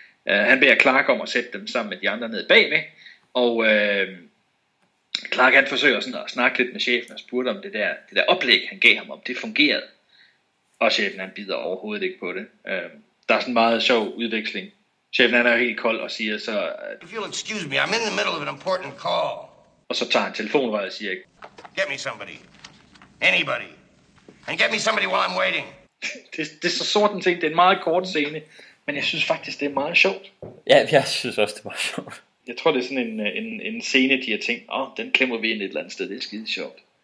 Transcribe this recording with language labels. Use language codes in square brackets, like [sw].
[da] Han beder Clark om at sætte dem sammen med de andre nede bagved. Og... Clark han forsøger sådan at snakke lidt med chefen og spurgte om det der oplæg han gav ham om det fungerede. Og chefen han bider overhovedet ikke på det. Der er sådan en meget sjov udveksling. Chefen han er jo helt kold og siger så [en] if you'll excuse me, I'm in the middle of an important call. [da] Og så tager han telefonrøret og siger [en] get me somebody. Anybody. And get me somebody while I'm waiting. [da] det er så sort en ting. Det er en meget kort scene, men jeg synes faktisk det er meget sjovt. Ja, jeg synes også det er meget sjovt. Jeg tror, det er sådan en scene, de har tænkt, den klemmer vi ind et eller andet sted, det er skide sjovt.